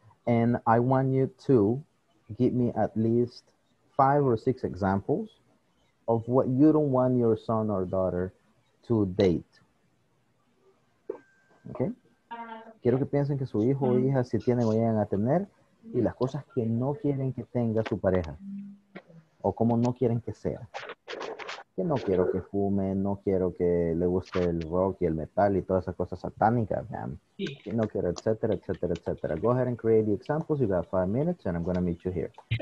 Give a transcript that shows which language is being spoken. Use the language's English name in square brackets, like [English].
[English] And I want you to give me at least 5 or 6 examples of what you don't want your son or daughter to date. Okay. [Spanish] Quiero que piensen que su hijo o hija si tienen o llegan a tener y las cosas que no quieren que tenga su pareja o como no quieren que sea. Que no quiero que fume, no quiero que le guste el rock y el metal y todas esas cosas satánicas, man. Que no quiero, etcétera, etcétera, etcétera. [English] Go ahead and create the examples. You got 5 minutes and I'm going to meet you here.